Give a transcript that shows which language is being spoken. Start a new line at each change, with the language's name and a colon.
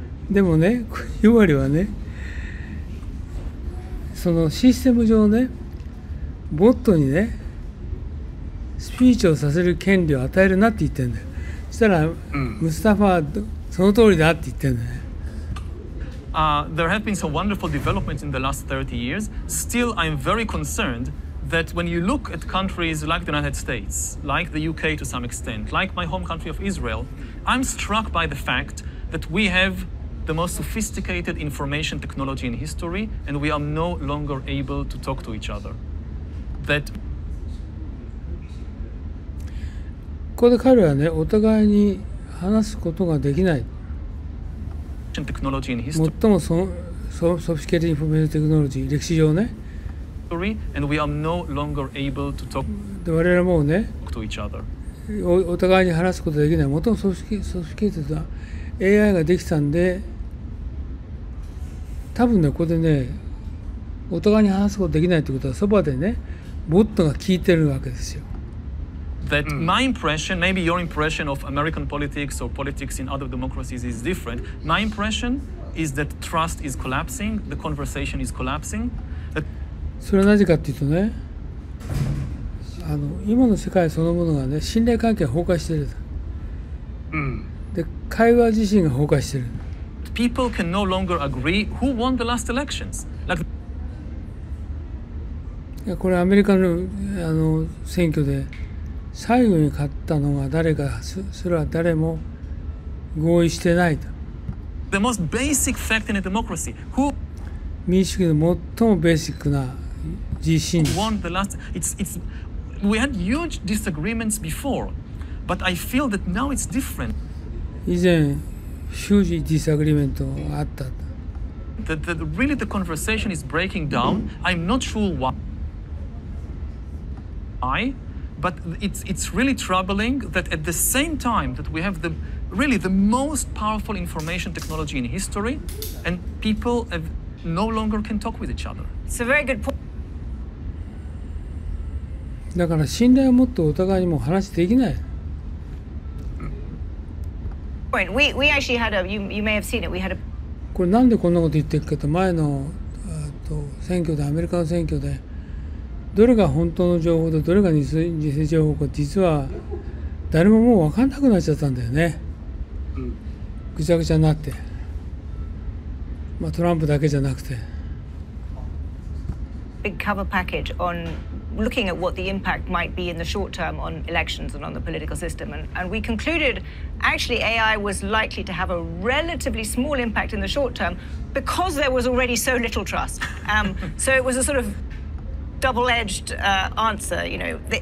Japanese: でもね、ユバリはね、そのシステム上ね、ボットにねスピーチをさせる権利を与えるなって言ってるんだよ。そしたら、うん、ムスタファはその通りだって言ってるんだよね。
English: There have been some wonderful developments in the last 30 years. Still, I'm very concerned that when you look at countries like the United States, like the UK to some extent, like my home country of Israel, I'm struck by the fact that we have the most sophisticated information technology in history and we are no longer able to talk to each other. That...
Japanese: ここで彼はね、お互いに話すことができない。最もソフィケティ・インフォメーション・テクノロジー、歴史上ね。で我々はもうね、お互いに話すことができない。最もソフィケティと AI ができたんで、多分ね、ここでね、お互いに話すことができないということは、そばでね、ボットが聞いてるわけですよ。
English: that my impression, maybe your impression of American politics or politics in other democracies is different. My impression is that trust is collapsing, the conversation is collapsing.
Japanese: それはなぜかっていうとね、あの今の世界そのものがね、信頼関係崩壊してる。うん。で、会話自身が崩壊してる。
English: People can no longer agree who won the last elections. Like...
Japanese: これアメリカ の, あの選挙で最後に勝ったのが誰か、それは誰も合意してないと。
English: The most basic fact in a democracy. Who
Japanese: 民主主義の最もベーシックな自信。
English: Won the last. It's we had huge disagreements before, but I feel that now it's different.
Japanese: 以前、
English: huge disagreement
Japanese: があった。
English: The really the conversation is breaking down. I'm not sure why. But it's really troubling that at the same time that we have the really the most powerful information technology in history, and people have no longer can talk with each other. It's a very good point.
Japanese: だから信頼を持ってお互いにも話できない。
English: We actually had a you may have seen it. We had a.
Japanese: これなんでこんなこと言ってるかと前の選挙でアメリカの選挙で。どれが本当の情報でどれが偽情報か実は誰ももう分かんなくなっちゃったんだよね、うん、ぐちゃぐちゃになって、まあ、トランプだけじゃなくて
English: Big cover package on looking at what the impact might be in the short term on elections and on the political system and we concluded actually AI was likely to have a relatively small impact in the short term because there was already so little trust so it was a sort ofdouble-edged answer, you know,